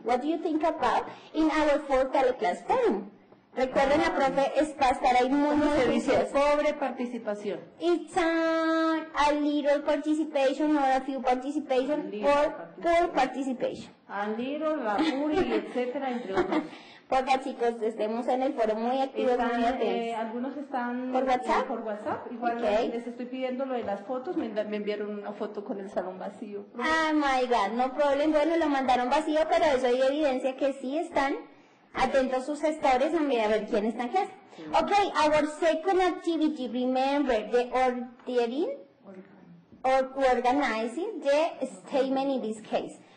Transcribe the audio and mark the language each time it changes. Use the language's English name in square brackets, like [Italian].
[English] What do you think about in our fourth teleclass forum? [Spanish] Recuerden, la profe es para estar ahí muy difícil. Pobre participación. [English] It's a little participation or a few participation or poor participation. A little, [Spanish] la full, etcétera, entre otros. Porque chicos, estemos en el foro muy activos. Están, muy atentos. Algunos están por WhatsApp. Igual okay. Les estoy pidiendo lo de las fotos. Me enviaron una foto con el salón vacío. [English] Oh my God, no problem. [Spanish] Bueno, lo mandaron vacío, pero eso hay evidencia que sí están. Atento a sus gestores, a ver quién está en clase. Sí. [English] Okay, our second activity, remember, the ordering or organizing the statement in this case.